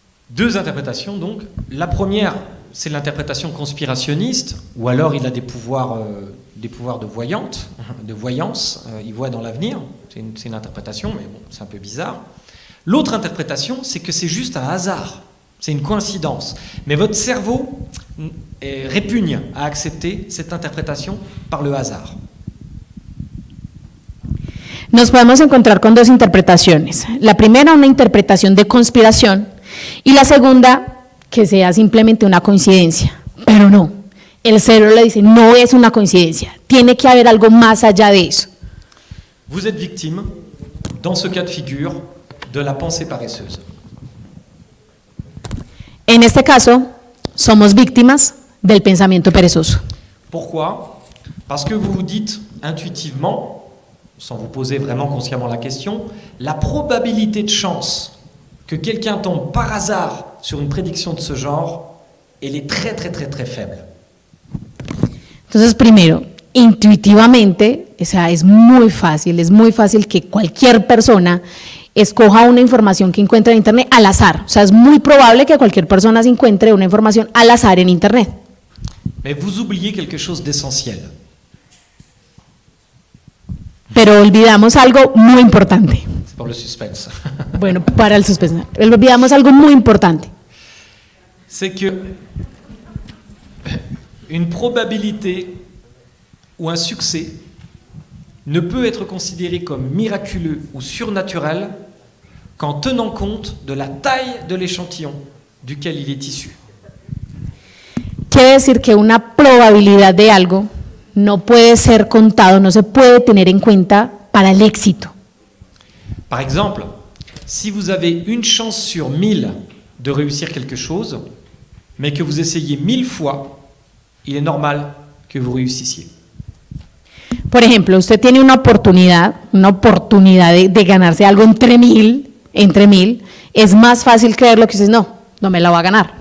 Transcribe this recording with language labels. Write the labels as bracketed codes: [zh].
[fr] Deux interprétations donc. La première, c'est l'interprétation conspirationniste, ou alors il a des pouvoirs de voyante, de voyance, il voit dans l'avenir. C'est une interprétation, mais bon, c'est un peu bizarre. L'autre interprétation, c'est que c'est juste un hasard. C'est une coïncidence. Mais votre cerveau répugne à accepter cette interprétation par le hasard. [es] Nos podemos encontrar con dos interpretaciones. La primera, una interpretación de conspiración. Y la segunda, que sea simplemente una coincidencia. Pero no. El cerebro le dice, no es una coincidencia. Tiene que haber algo más allá de eso. [fr] Vous êtes victime, dans ce cas de figure, de la pensée paresseuse. [es] En este caso, somos víctimas del pensamiento perezoso. [fr] Pourquoi? Parce que vous vous dites intuitivement, sans vous poser vraiment consciemment la question, la probabilité de chance que quelqu'un tombe par hasard sur une prédiction de ce genre, elle est très très très très faible. [es] Entonces, primero, intuitivamente, o sea, es muy fácil que cualquier persona escoja una información que encuentre en internet al azar. O sea, es muy probable que cualquier persona se encuentre una información al azar en internet. [fr] Mais vous oubliez quelque chose d'essentiel. [es] Pero olvidamos algo muy importante. [fr] C'est pour le suspense. [es] Bueno, para el suspense. Olvidamos algo muy importante. [fr] C'est que une probabilité ou un succès ne peut être considéré comme miraculeux ou surnaturel qu'en tenant compte de la taille de l'échantillon duquel il est issu. [es] Quiere decir que una probabilidad de algo no puede ser contado, no se puede tener en cuenta para el éxito. [fr] Par exemple, si vous avez une chance sur 1000 de réussir quelque chose, mais que vous essayez 1000 fois, il est normal que vous réussissiez. [es] Por ejemplo, usted tiene una oportunidad de ganarse algo entre mil, es más fácil creerlo que dices, no me la va a ganar.